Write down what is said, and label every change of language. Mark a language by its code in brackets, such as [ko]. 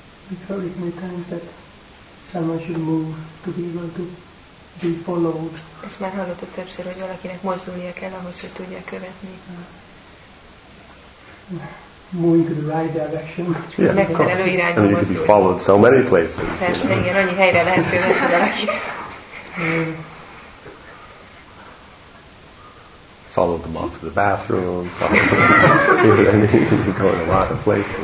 [en] We've heard it many times that someone should move to be able to be followed. [hu] Ezt már hallottuk többször, hogy valakinek mozdulnia kell ahhoz, hogy tudja követni. [en] Moving to the right direction. Yes, of course. And you could be followed so many places. [hu] Persze, igen, annyi helyre lehet követni valaki. [en] Follow them off to the bathroom, follow them off to the bathroom, you go in a lot of places.